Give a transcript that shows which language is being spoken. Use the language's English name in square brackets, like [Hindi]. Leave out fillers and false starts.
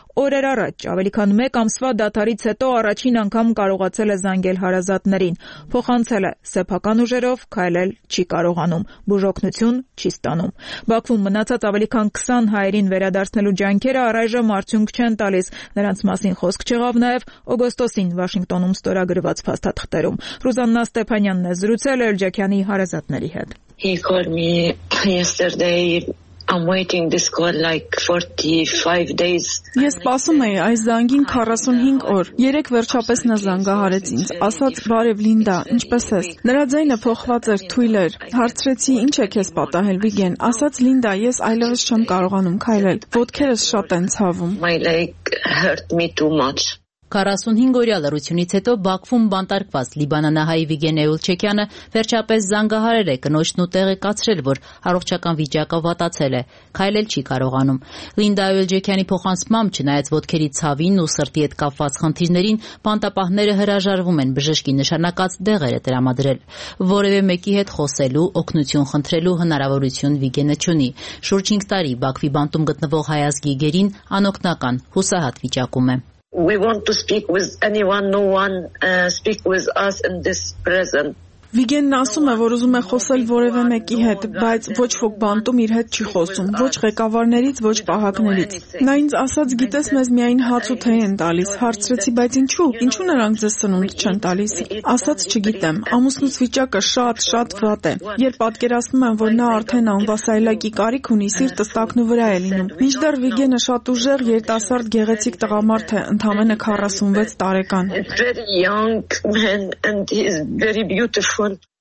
[Armenian] օրեր առաջ, ավելի քան 1 ամսվա դադարից հետո առաջին անգամ կարողացել է զանգել հարազատներին։ Փոխանցել է սեփական ուժերով, քայլել չի կարողանում, բուժօգնություն չի ստանում։ Բաքվում մնացած ավելի քան 20 հայերին վերադարձնելու ջանքերը առայժմ արդյունք չեն տալիս, նրանց մասին խոսք չեղավ նաև օգոստոսին Վաշինգտոնում ստորագրված փաստաթղթերում։ Ռուզաննա Ստեփանյանն է զրուցել Էլջաքյանի հարազատների հետ։ [English] He called me yesterday. I'm waiting this call like 45 days. [Armenian] Ես սպասում էի այս զանգին 45 օր։ Երեք վերջապես նա զանգահարեց ինձ, ասաց՝ «Բարև Լինդա, ինչպես ես»։ Նրա ձայնը փոխված էր, թույլ էր։ Հարցրեցի՝ «Ինչ է քեզ պատահել, Վիգեն»։ Ասաց՝ «Լինդա, ես այլևս չեմ կարողանում քայլել. Ոտքերս շատ են ցավում»։ [English] My leg hurt me too much. [Armenian] 45 օրյա լրությունից հետո Բաքվում բանտարկված Լիբանանահայի Վիգեն Էլջոքյանը վերջապես զանգահարել է կնոջն ու տեղեկացրել, որ առողջական վիճակը վատացել է, քայլել չի կարողանում։ Լինդա Էլջոքյանի փոխանցմամբ, չնայած ոտքերի ցավին ու սրտի հետ կապված խնդիրներին, բանտապահները հրաժարվում են բժշկի նշանակած դեղերը տրամադրել։ Որևէ մեկի հետ խոսելու, օգնություն խնդրելու հնարավորություն Վիգենը չունի։ Շուրջ 5 տարի Բաքվի բանտում գտնվող հայազգի գերին անօգնական, հուսահատ վիճակում է։ [English] We want to speak with anyone, no one speak with us in this present. [Armenian] Վիգենն ասում է, որ ուզում է խոսել որևէ մեկի հետ, բայց ոչ ոք բանտում իր հետ չի խոսում, ոչ ղեկավարներից, ոչ պահակներից։ Նա ինձ ասաց, գիտես, մեզ միայն հաց ու թեյ են տալիս։ Հարցրեցի, բայց ինչու, ինչու նրանք ձեզ սնունդ չեն տալիս։ Ասաց, չգիտեմ, ամուսնուց վիճակը շատ, շատ վատ է։ Երբ պատկերացնում եմ, որ նա արդեն անվասայլակի կարիք ունի, սիրտը ստակնու վրա է լինում։ Մինչդեռ Վիգենը շատ ուժեղ, երիտասարդ գեղեցիկ տղամարդ է, ընդամենը 46 տարեկան։